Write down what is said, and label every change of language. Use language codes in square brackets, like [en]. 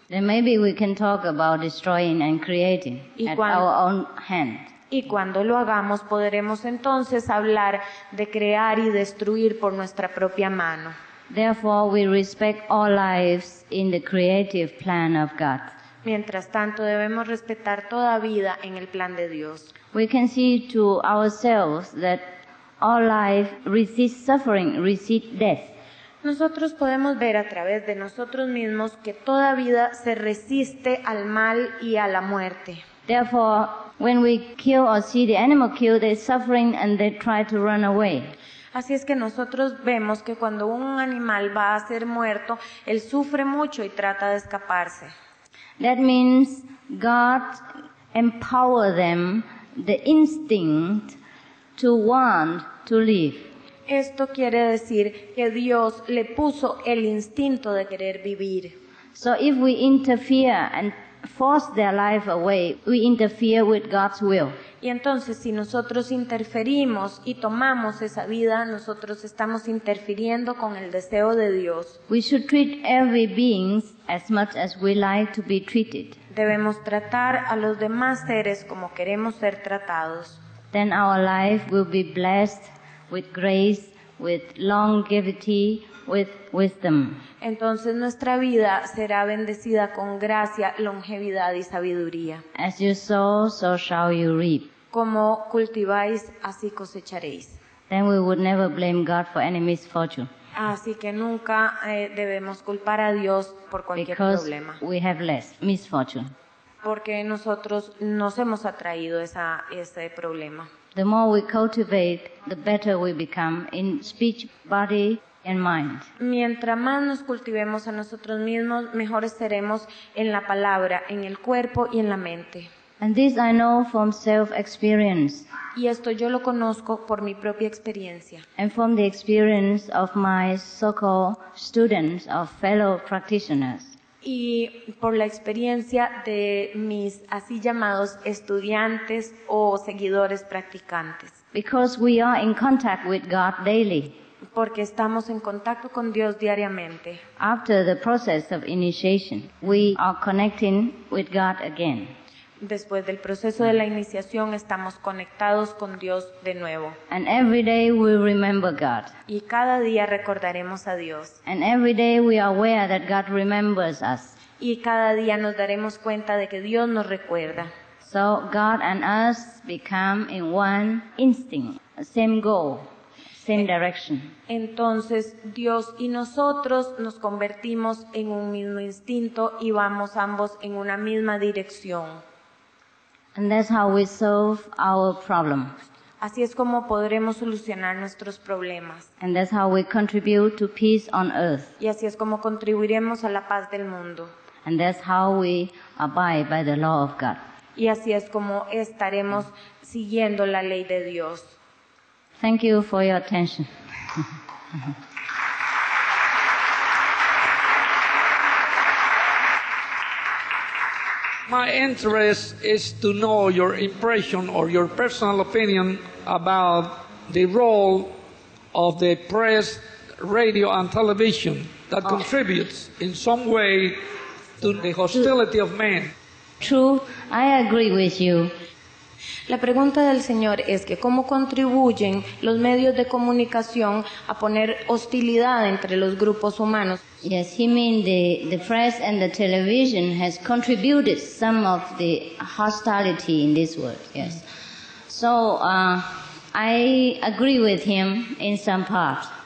[en] Then maybe we can talk about destroying and creating at our own hand. [es] Y cuando lo hagamos, podremos entonces hablar de crear y destruir por nuestra propia mano. [en] Therefore, we respect all lives in the creative plan of God. [es] Mientras tanto, debemos respetar toda vida en el plan de Dios. [en] We can see to ourselves that all life resists suffering, resists death. [es] Nosotros podemos ver a través de nosotros mismos que toda vida se resiste al mal y a la muerte. [en] Therefore, when we kill or see the animal kill, they're suffering and they try to run away. [es] Así es que nosotros vemos que cuando un animal va a ser muerto, él sufre mucho y trata de escaparse. [en] That means God empowers them, the instinct, to want to live. [es] Esto quiere decir que Dios le puso el instinto de querer vivir. [en] So if we interfere and force their life away, we interfere with God's will. [es] Y entonces, si nosotros interferimos y tomamos esa vida, nosotros estamos interfiriendo con el deseo de Dios. [en] We should treat every being as much as we like to be treated. [es] Debemos tratar a los demás seres como queremos ser tratados. [en] Then our life will be blessed with grace, with longevity, with wisdom. [es] Entonces nuestra vida será bendecida con gracia, longevidad y sabiduría. [en] As you sow, so shall you reap. [es] Como cultiváis, así cosecharéis. [en] Then we would never blame God for any misfortune. [es] Así que nunca debemos culpar a Dios por cualquier [en] Because [es] problema. [en] Because we have less misfortune. [es] Porque nosotros nos hemos atraído ese problema. [en] The more we cultivate, the better we become in speech, body, and mind. [es] Mientras más nos cultivemos a nosotros mismos, mejores seremos en la palabra, en el cuerpo y en la mente. [en] And this I know from self-experience. [es] Y esto yo lo conozco por mi propia experiencia. [en] And from the experience of my so-called students or fellow practitioners. [es] Y por la experiencia de mis así llamados estudiantes o seguidores practicantes. [en] Because we are in contact with God daily. [es] Porque estamos en contacto con Dios diariamente. [en] After the process of initiation, we are connecting with God again. [es] Después del proceso de la iniciación, estamos conectados con Dios de nuevo. [en] And every day we remember God. [es] Y cada día recordaremos a Dios. [en] And every day we are aware that God remembers us. [es] Y cada día nos daremos cuenta de que Dios nos recuerda. [en] So God and us become in one instinct, same goal, same direction. [es] Entonces Dios y nosotros nos convertimos en un mismo instinto y vamos ambos en una misma dirección. [en] And that's how we solve our problems. [es] Así es como podremos solucionar nuestros problemas. [en] And that's how we contribute to peace on earth. [es] Y así es como contribuiremos a la paz del mundo. [en] And that's how we abide by the law of God. [es] Y así es como estaremos siguiendo la ley de Dios. [en] Thank you for your attention. My interest is to know your impression or your personal opinion about the role of the press, radio and television that contributes in some way to the hostility of men. True, I agree with you. [es] La pregunta del señor es que cómo contribuyen los medios de comunicación a poner hostilidad entre los grupos humanos. [en] Yes, he means the press and the television has contributed some of the hostility in this world, yes. So, I agree with him in some part.